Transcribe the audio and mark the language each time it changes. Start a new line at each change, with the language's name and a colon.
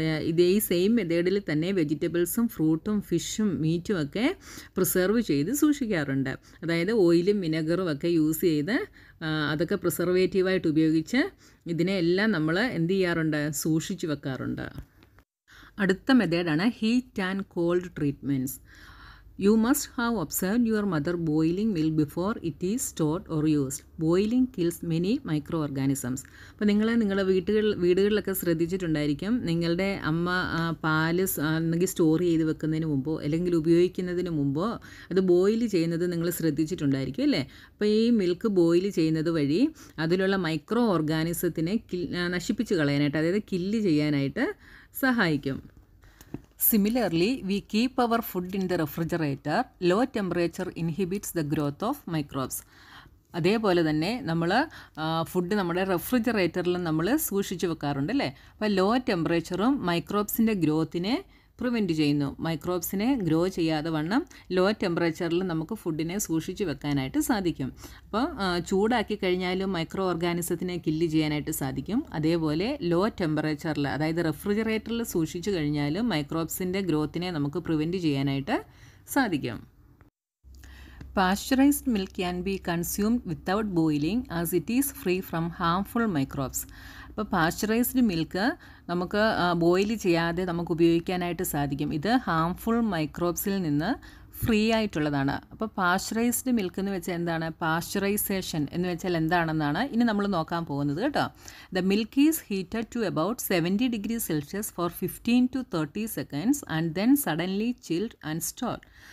Malayalam: ഇതേ സെയിം മെത്തേഡിൽ തന്നെ വെജിറ്റബിൾസും ഫ്രൂട്ടും ഫിഷും മീറ്റും ഒക്കെ പ്രിസർവ് ചെയ്ത് സൂക്ഷിക്കാറുണ്ട്. അതായത് ഓയിലും വിനെഗറും ഒക്കെ യൂസ് ചെയ്ത് അതൊക്കെ പ്രിസർവേറ്റീവായിട്ട് ഉപയോഗിച്ച് ഇതിനെ എല്ലാം നമ്മൾ എന്ത് ചെയ്യാറുണ്ട്, സൂക്ഷിച്ച് വെക്കാറുണ്ട്. അടുത്ത മെത്തേഡാണ് heat and called treatments.
English: You must have observed your mother boiling milk before it is stored or used. Boiling kills many microorganisms.
Malayalam: അപ്പോൾ നിങ്ങൾ നിങ്ങളുടെ വീടുകളിലൊക്കെ ശ്രദ്ധിച്ചിട്ടുണ്ടായിരിക്കും, നിങ്ങളുടെ അമ്മ പാല് അല്ലെങ്കിൽ സ്റ്റോർ ചെയ്ത് വെക്കുന്നതിന് മുമ്പോ അല്ലെങ്കിൽ ഉപയോഗിക്കുന്നതിന് മുമ്പോ അത് ബോയിൽ ചെയ്യുന്നത് നിങ്ങൾ ശ്രദ്ധിച്ചിട്ടുണ്ടായിരിക്കും അല്ലേ. അപ്പോൾ ഈ മിൽക്ക് ബോയിൽ ചെയ്യുന്നത് വഴി അതിലുള്ള മൈക്രോ ഓർഗാനിസത്തിനെ നശിപ്പിച്ച് കളയാനായിട്ട്, അതായത് കില്ല് ചെയ്യാനായിട്ട് സഹായിക്കും.
English: Similarly, we keep our food in the refrigerator. Low temperature inhibits the growth of microbes.
Malayalam: അതേപോലെ തന്നെ നമ്മൾ ഫുഡ് നമ്മുടെ റെഫ്രിജറേറ്ററിൽ നമ്മൾ സൂക്ഷിച്ച് വെക്കാറുണ്ട് അല്ലേ. അപ്പോൾ ലോ ടെമ്പറേച്ചറും മൈക്രോബ്സിൻ്റെ ഗ്രോത്തിനെ പ്രിവെൻറ്റ് ചെയ്യുന്നു. മൈക്രോബ്സിനെ ഗ്രോ ചെയ്യാതെ വണ്ണം ലോ ടെമ്പറേച്ചറിൽ നമുക്ക് ഫുഡിനെ സൂക്ഷിച്ച് വെക്കാനായിട്ട് സാധിക്കും. അപ്പോൾ ചൂടാക്കി കഴിഞ്ഞാലും മൈക്രോ ഓർഗാനിസത്തിനെ കില്ല് ചെയ്യാനായിട്ട് സാധിക്കും. അതേപോലെ ലോ ടെമ്പറേച്ചറിൽ, അതായത് റെഫ്രിജറേറ്ററിൽ സൂക്ഷിച്ച് കഴിഞ്ഞാലും മൈക്രോബ്സിൻ്റെ ഗ്രോത്തിനെ നമുക്ക് പ്രിവെൻറ്റ് ചെയ്യാനായിട്ട് സാധിക്കും.
English: Pasteurized milk can be consumed without boiling as it is free from harmful microbes.
Malayalam: അപ്പോൾ പാസ്ചറൈസ്ഡ് മിൽക്ക് നമുക്ക് ബോയിൽ ചെയ്യാതെ നമുക്ക് ഉപയോഗിക്കാനായിട്ട് സാധിക്കും. ഇത് ഹാംഫുൾ മൈക്രോബ്സിൽ നിന്ന് ഫ്രീ ആയിട്ടുള്ളതാണ്. അപ്പോൾ പാസ്ചറൈസ്ഡ് മിൽക്ക് എന്ന് വെച്ചാൽ എന്താണ്, പാസ്ചറൈസേഷൻ എന്ന് വെച്ചാൽ എന്താണെന്നാണ് ഇനി നമ്മൾ നോക്കാൻ പോകുന്നത് കേട്ടോ.
English: The milk is heated to about 70°C for 15 to 30 seconds and then suddenly chilled and stored.